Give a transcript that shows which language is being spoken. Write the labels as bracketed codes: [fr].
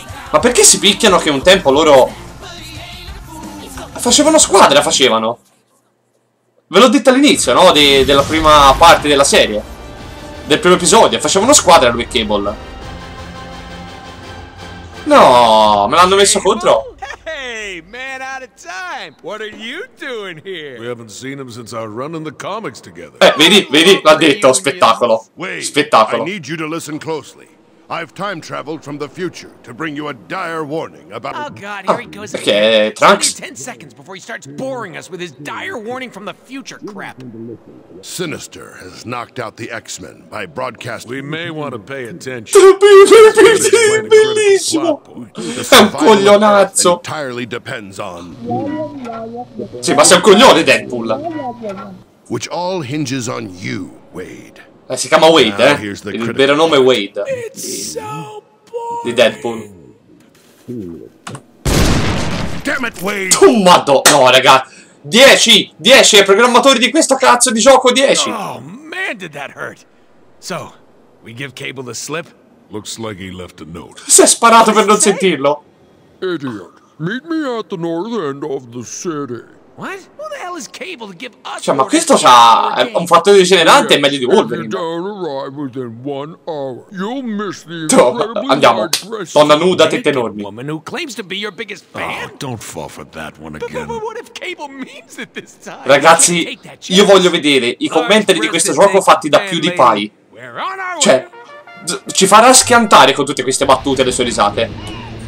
[it] Ma perché si picchiano che un tempo loro... Facevano squadra, facevano. Ve l'ho detto all'inizio, no? Della prima parte della serie. Del primo episodio. Facevano squadra lui e Cable. No, me l'hanno messo contro. [en] Man out of time. What are you doing here? We haven't seen him since our run in the comics together. [it] Vedi, vedi, l'ha detto, spettacolo. Spettacolo. [en] I need you to listen closely. I've time traveled from the future to bring you a dire warning about. Oh god, here he goes. Okay, Trunks. 10 seconds before he starts boring us with his dire warning from the future crap. Sinister has knocked out the X-Men by broadcasting. We may want to pay attention. [it] Bellissimo. È un coglionazzo. [en] Entirely depends on. [it] Sì, ma sei un coglione, Deadpool. [en] Which all hinges on you, Wade. [it] Si chiama Wade, eh? Il vero nome è Wade. Di Deadpool. [en] Damn it, Wade! [it] Tommato! No, raga! 10! 10! Ai programmatori di questo cazzo di gioco, 10! [en] Oh, man, did that hurt! So, we give Cable the slip? Looks like he left a note. [it] Si è sparato per non sentirlo! [en] Idiot, meet me at the north end of the city. What? Who the hell is Cable to give us? [it] Cioè, ma questo c'ha un fattore degenerante, yeah, è meglio di Wolverine. Andiamo. Donna nuda, tette enormi. [en] Woman who claims to be your biggest fan. Oh, don't fall for that one again. But what if Cable means it this time? [it] Ragazzi, io voglio vedere i commentary di questo gioco fatti da PewDiePie. Cioè, ci farà schiantare con tutte queste battute e le sue risate.